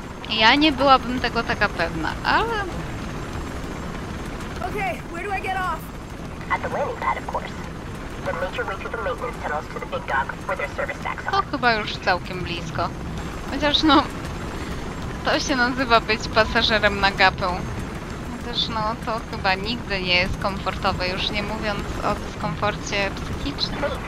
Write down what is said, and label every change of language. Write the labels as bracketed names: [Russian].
[Polish] Ja nie byłabym tego taka pewna, ale... [English] Okay, where do I get off? At the landing pad, of course. Then make your way through the maintenance tunnels to the big dock, where their service stacks are. [Polish] To chyba już całkiem blisko. Chociaż no... To się nazywa być pasażerem na gapę. Chociaż no, to chyba nigdy nie jest komfortowe, już nie mówiąc o dyskomforcie psychicznym.